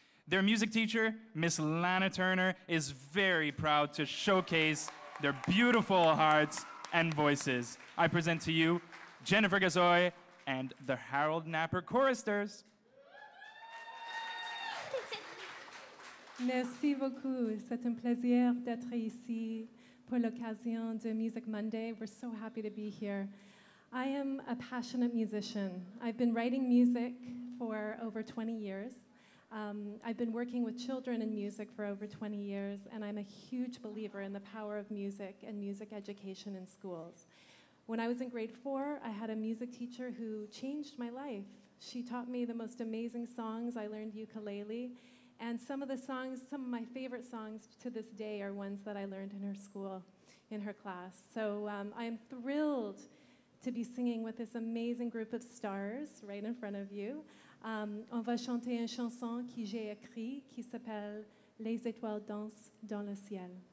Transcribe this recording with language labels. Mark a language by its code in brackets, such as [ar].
[en] Their music teacher, Miss Lana Turner, is very proud to showcase their beautiful hearts and voices. I present to you Jennifer Gasoi and the Harold Knapper Choristers. [fr] Merci beaucoup. C'est un plaisir d'être ici pour l'occasion de Music Monday. [en] We're so happy to be here. I am a passionate musician. I've been writing music for over 20 years. I've been working with children in music for over 20 years, and I'm a huge believer in the power of music and music education in schools. When I was in grade 4, I had a music teacher who changed my life. She taught me the most amazing songs. I learned ukulele, and some of the songs, some of my favorite songs to this day are ones that I learned in her school, in her class. So I am thrilled to be singing with this amazing group of stars right in front of you. [fr] On va chanter une chanson que j'ai écrite qui s'appelle Les Étoiles dansent dans le ciel.